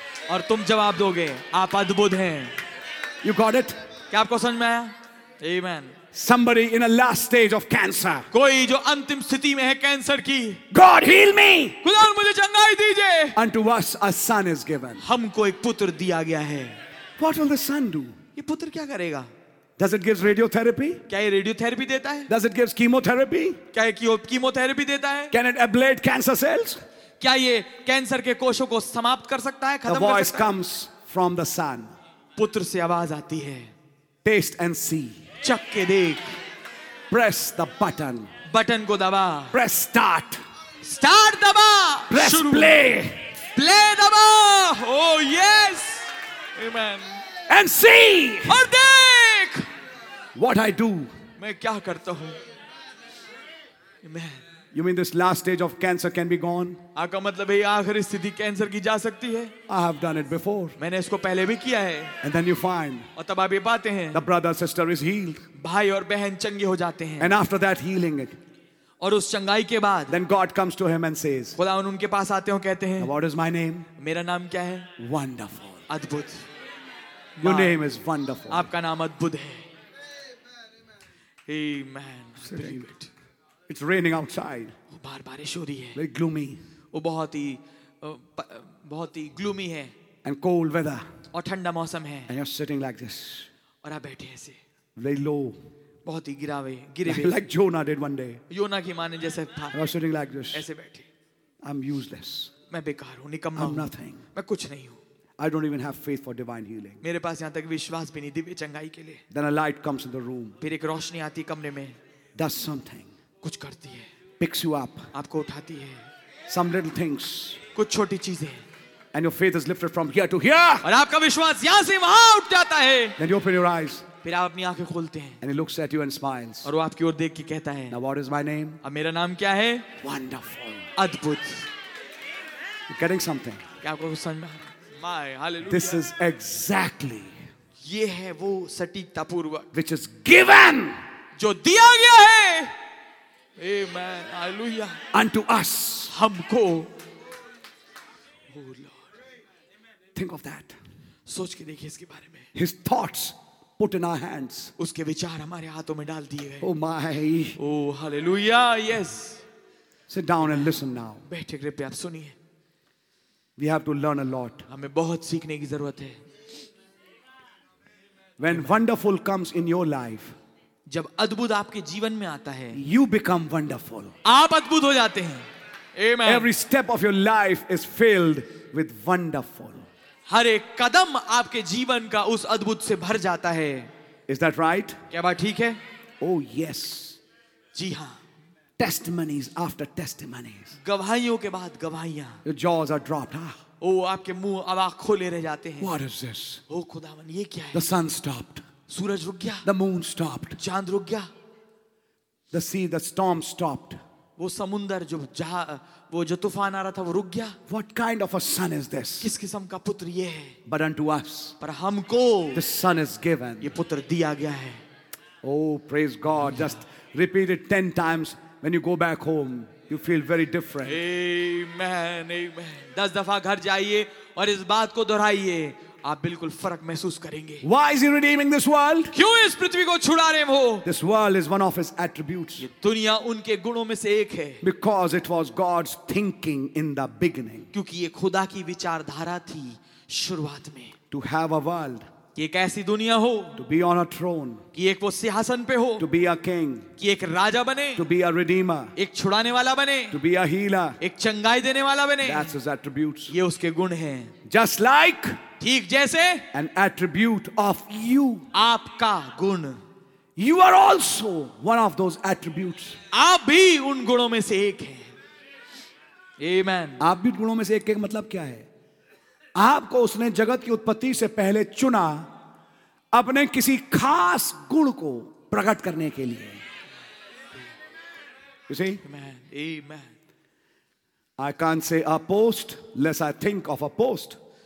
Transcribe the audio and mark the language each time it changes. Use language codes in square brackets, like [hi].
[hi] और तुम जवाब दोगे आप अद्भुत हैं। [en] You got it, [hi] क्या आपको समझ में आया? Amen. [en] Somebody in a last stage of cancer, [hi] कोई जो अंतिम स्थिति में है कैंसर की। [en] God heal me, [hi] खुदा मुझे चंगाई दीजिए। [en] Unto us a son is given, [hi] हमको एक पुत्र दिया गया है। [en] What will the son do? [hi] ये पुत्र क्या करेगा? [en] Does it gives radiotherapy? [hi] क्या ये रेडियोथेरेपी देता है? [en] Does it gives chemotherapy? [hi] क्या ये कीमोथेरेपी देता है? [en] Can it ablate cancer cells? [hi] क्या ये कैंसर के कोशों को समाप्त कर सकता है, खत्म कर सकता है? [en] The voice comes from the son. [hi] पुत्र से आवाज आती है। [en] Taste and see. [hi] चख के देख। [en] Press the button. [hi] बटन को दबा। [en] Press start. [hi] Start दबा। [en] Press play. [hi] Play दबा। [en] Oh yes. [hi] Amen. [en] And see. [hi] और देख. [en] What I do. [hi] मैं क्या करता हूँ. Amen. [en] You mean this last stage of cancer can be gone? [hi] आपका मतलब है ये आखिरी स्थिति कैंसर की जा सकती है? [en] I have done it before. [hi] मैंने इसको पहले भी किया है. [en] And then you find. [hi] और तब आप ये पाते हैं. [en] The brother sister is healed. [hi] भाई और बहन चंगे हो जाते हैं. [en] And after that healing it. [hi] और उस चंगाई के बाद, [en] then God comes to him and says. [hi] खुदा उनके पास आते हो कहते हैं. [en] What is my name? [hi] मेरा नाम क्या है? [en] Wonderful. [hi] अद्भुत। [en] Your name is wonderful. [hi] आपका नाम अद्भुत है। Amen. [en] Very good. It's raining outside. [hi] बाहर बारिश हो रही है। [en] Very gloomy. [hi] वो बहुत ही gloomy है। [en] And cold weather. [hi] और ठंडा मौसम है। [en] And you're sitting like this. [hi] और आप बैठे ऐसे। [en] Very low. [hi] बहुत ही गिरे हुए। [en] Like Jonah did one day. [hi] योना की माने जैसे था। [en] And you're sitting like this. [hi] ऐसे बैठे। [en] I'm useless. [hi] मैं बेकार हूँ, निकम्मा [en] हूँ। I'm nothing. [hi] मैं कुछ नहीं हूँ। [en] I don't even have faith for divine healing. [hi] मेरे पास यहाँ तक विश्वास भी नहीं दिव्य चंगाई के लिए. [en] Then a light comes in the room. [hi] फिर एक रोशनी आती है कमरे में. [en] Does something. [hi] कुछ करती है. [en] Picks you up. [hi] आपको उठाती है. [en] Some little things. [hi] कुछ छोटी चीजें. [en] And your faith is lifted from here to here. [hi] और आपका विश्वास यहाँ से वहाँ उठ जाता है. [en] Then you open your eyes. [hi] फिर आप अपनी आंखें खोलते हैं. [en] And he looks at you and smiles. [hi] और वो आपकी ओर देख के कहता है. [en] Now what is my name? [hi] अब मेरा नाम क्या है? [en] Wonderful. [hi] अद्भुत. [en] You're getting something. [hi] क्या आपको समझ में? [en] This is exactly [hi] ये है वो सटीकता पूर्वक [en] which is given [hi] जो दिया गया है Amen. [en] Hallelujah. Unto us [hi] हमको [en] Oh Lord. Think of that. [hi] सोच के देखिए इसके बारे में. [en] His thoughts put in our hands. [hi] उसके विचार हमारे हाथों में डाल दिए गए. [en] Oh my. Oh hallelujah. Yes. Sit down and listen now. [hi] बैठे कृपया आप सुनिए. [en] We have to learn a lot. [hi] हमें बहुत सीखने की जरूरत है. [en] When wonderful comes in your life, [hi] जब अद्भुत आपके जीवन में आता है, [en] you become wonderful. [hi] आप अद्भुत हो जाते हैं. Amen. [en] Every step of your life is filled with wonderful. [hi] हर एक कदम आपके जीवन का उस अद्भुत से भर जाता है. [en] Is that right? [hi] क्या बात ठीक है? [en] Oh yes. [hi] जी हाँ. [en] Testimonies after testimonies. [hi] गवाहियों के बाद गवाहियाँ. [en] Your jaws are dropped. Ah. [hi] Oh, आपके मुंह अब आँख खोले रह जाते हैं. [en] What is this? [hi] Oh, खुदावन, ये क्या है? [en] The sun stopped. [hi] सूरज रुक गया. [en] The moon stopped. [hi] चांद रुक गया. [en] The sea, the storm stopped. [hi] वो समुंदर जो जहा वो जो तूफान आ रहा था वो रुक गया. [en] What kind of a son is this? [hi] किस किस्म का पुत्र ये है? [en] But unto us, [hi] पर हमको [en] the son is given. [hi] ये पुत्र दिया गया है. [en] Oh, praise God. Yeah. Just repeat it 10 times. When you go back home, you feel very different. Amen, amen. [hi] 10 दफा घर जाइए और इस बात को दोहराइए. आप बिल्कुल फर्क महसूस करेंगे. [en] Why is he redeeming this world? [hi] क्यों इस पृथ्वी को छुड़ा रहे हो? [en] This world is one of his attributes. [hi] ये दुनिया उनके गुणों में से एक है. [en] Because it was God's thinking in the beginning. [hi] क्योंकि ये खुदा की विचारधारा थी शुरुआत में. [en] To have a world. [hi] कि एक ऐसी दुनिया हो. [en] To be on a throne. [hi] कि एक वो सिंहासन पे हो. [en] To be a king. [hi] कि एक राजा बने. [en] To be a redeemer. [hi] एक छुड़ाने वाला बने. [en] To be a healer. [hi] एक चंगाई देने वाला बने. [en] That's his attributes. [hi] ये उसके गुण हैं. [en] Just like [hi] ठीक जैसे [en] an attribute of you [hi] आपका गुण. [en] You are also one of those attributes. [hi] आप भी उन गुणों में से एक हैं. [en] Amen. [hi] आप भी गुणों में से एक मतलब क्या है? आपको उसने जगत की उत्पत्ति से पहले चुना अपने किसी खास गुण को प्रकट करने के लिए. [en] You see? Amen. Amen. I can't say a post less I think of a post.